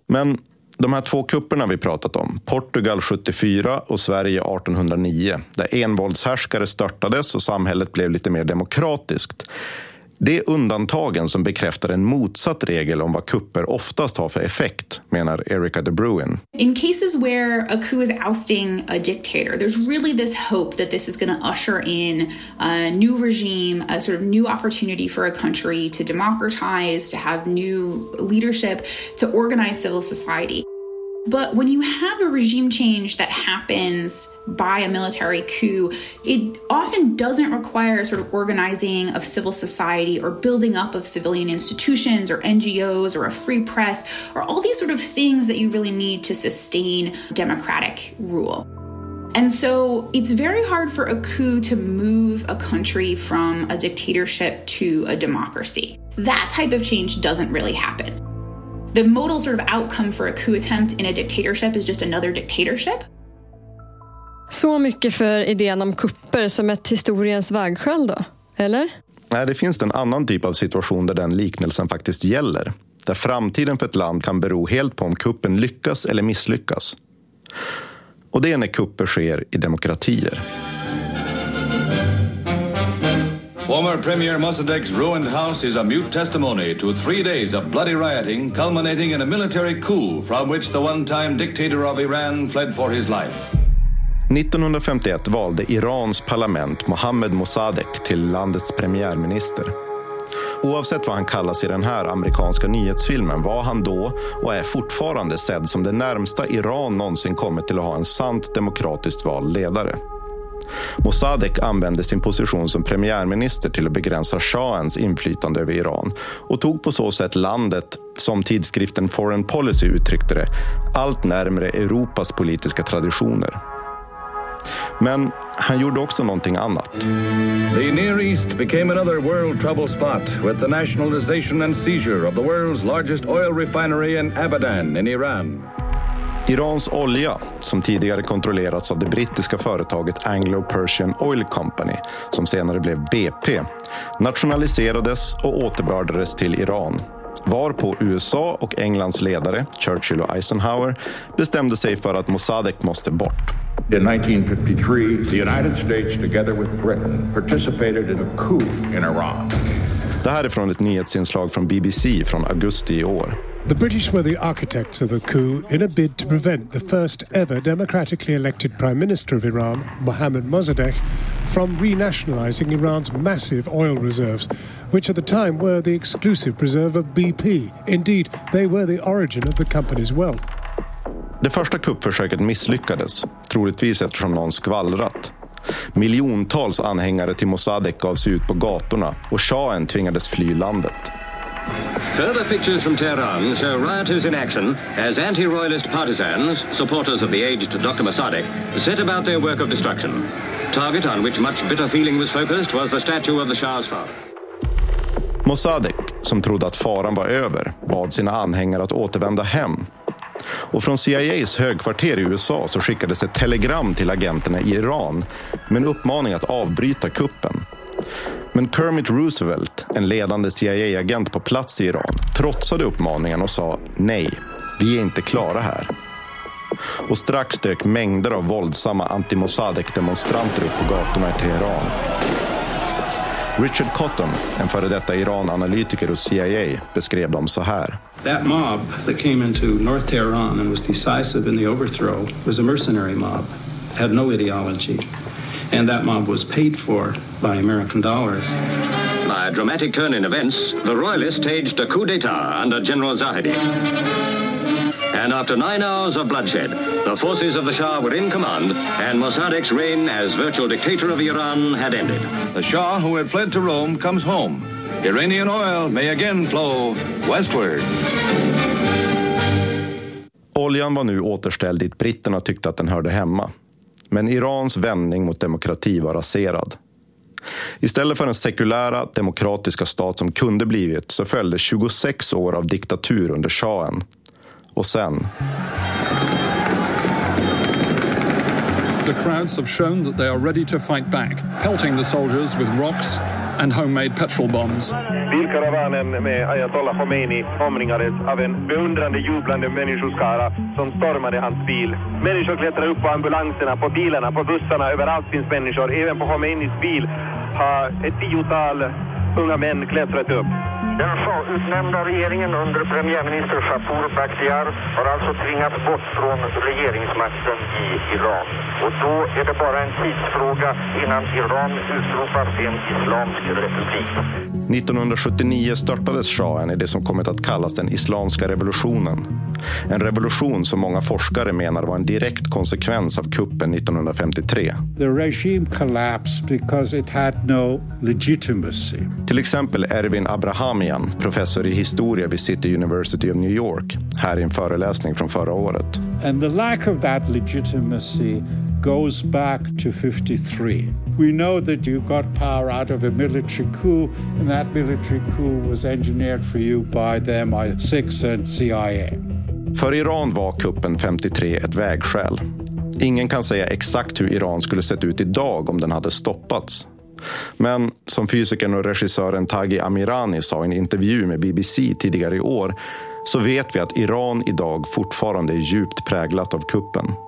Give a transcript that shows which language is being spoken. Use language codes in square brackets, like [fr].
[sv] Men de här två kupperna vi pratat om, Portugal 74 och Sverige 1809, där envåldshärskare störtades och samhället blev lite mer demokratiskt. Det är undantagen som bekräftar en motsatt regel om vad kupper oftast har för effekt, menar Erica de Bruin. [en] In cases where a coup is ousting a dictator, there's really this hope that this is going to usher in a new regime, a sort of new opportunity for a country to democratize, to have new leadership, to organize civil society. But when you have a regime change that happens by a military coup, it often doesn't require sort of organizing of civil society or building up of civilian institutions or NGOs or a free press or all these sort of things that you really need to sustain democratic rule. And so it's very hard for a coup to move a country from a dictatorship to a democracy. That type of change doesn't really happen. The modal sort of outcome for a coup attempt in a dictatorship is just another dictatorship. [sv] Så mycket för idén om kupper som ett historiens vägskäl då, eller? Nej, det finns en annan typ av situation där den liknelsen faktiskt gäller. Där framtiden för ett land kan bero helt på om kuppen lyckas eller misslyckas. Och det är när kupper sker i demokratier. [en] Former Premier Mossadegh's ruined house is a mute testimony to 3 days of bloody rioting culminating in a military coup from which the one-time dictator of Iran fled for his life. [sv] 1951 valde Irans parlament Mohammed Mossadegh till landets premiärminister. Oavsett vad han kallas i den här amerikanska nyhetsfilmen var han då och är fortfarande sedd som det närmsta Iran någonsin kommit till att ha en sant demokratiskt valledare. Mossadegh använde sin position som premiärminister till att begränsa shahens inflytande över Iran och tog på så sätt landet, som tidskriften Foreign Policy uttryckte det, allt närmare Europas politiska traditioner. Men han gjorde också någonting annat. [en] The Near East became another world trouble spot with the nationalization and seizure of the world's largest oil refinery in Abadan in Iran. [sv] Irans olja, som tidigare kontrollerats av det brittiska företaget Anglo-Persian Oil Company, som senare blev BP, nationaliserades och återbördades till Iran. Varpå USA och Englands ledare, Churchill och Eisenhower, bestämde sig för att Mossadegh måste bort. [en] In 1953, the United States together with Britain participated in a coup in Iran. [sv] Det här är från ett nyhetsinslag från BBC från augusti i år. [en] The British were the architects of the coup in a bid to prevent the first ever democratically elected prime minister of Iran, Mohammad Mossadegh, from renationalizing Iran's massive oil reserves, which at the time were the exclusive reserve of BP. Indeed, they were the origin of the company's wealth. [sv] Det första kuppförsöket misslyckades, troligtvis eftersom någon skvallrat. Miljontals anhängare till Mossadegh gav sig ut på gatorna och shahen tvingades fly landet. [en] Further pictures from Tehran show rioters in action as anti-royalist partisans, supporters of the aged Dr. Mossadegh, set about their work of destruction. Target on which much bitter feeling was focused was the statue of the Shah's father. [sv] Mossadegh, som trodde att faran var över, bad sina anhängare att återvända hem. Och från CIAs högkvarter i USA så skickades ett telegram till agenterna i Iran med en uppmaning att avbryta kuppen. Men Kermit Roosevelt, en ledande CIA-agent på plats i Iran, trotsade uppmaningen och sa nej, vi är inte klara här. Och strax dök mängder av våldsamma anti-Mossadegh-demonstranter upp på gatorna i Teheran. Richard Cotton, en före detta Iran-analytiker hos CIA, beskrev dem så här. [en] That mob that came into North Tehran and was decisive in the overthrow was a mercenary mob, had no ideology, and that mob was paid for by American dollars. By a dramatic turn in events, the royalists staged a coup d'etat under General Zahedi. And after 9 hours of bloodshed, the forces of the Shah were in command, and Mossadegh's reign as virtual dictator of Iran had ended. The Shah, who had fled to Rome, comes home. Iranian oil may again flow westward. [sv] Oljan var nu återställd dit britterna tyckte att den hörde hemma. Men Irans vändning mot demokrati var raserad. Istället för den sekulära, demokratiska stat som kunde blivit så följde 26 år av diktatur under shahen. Och sen... [en] The crowds have shown that they are ready to fight back, pelting the soldiers with rocks and homemade petrol bombs. [sv] Bilkaravanen med Ayatollah Khomeini omringades av en beundrande, jublande människoskara som stormade hans bil. Människor klättrade upp på ambulanserna, på bilarna, på bussarna, överallt finns människor. Även på Khomeinis bil har ett tiotal unga män klättrat upp. Den så utnämnda regeringen under premiärminister Shapour Bakhtiar har alltså tvingats bort från regeringsmakten i Iran. Och då är det bara en tidsfråga innan Iran utropar sin islamsk republik. 1979 störtades shahen i det som kommit att kallas den islamska revolutionen. En revolution som många forskare menar var en direkt konsekvens av kuppen 1953. [en] The regime collapsed because it had no legitimacy. [sv] Till exempel Ervin Abrahamian, professor i historia vid City University of New York, här i en föreläsning från förra året. [en] And the lack of that legitimacy goes back to 53. We know that you got power out of a military coup, and that military coup was engineered for you by the MI6 and CIA. [sv] För Iran var kuppen 53 ett vägskäl. Ingen kan säga exakt hur Iran skulle sett ut idag om den hade stoppats. Men som fysikern och regissören Taghi Amirani sa i en intervju med BBC tidigare i år, så vet vi att Iran idag fortfarande är djupt präglat av kuppen.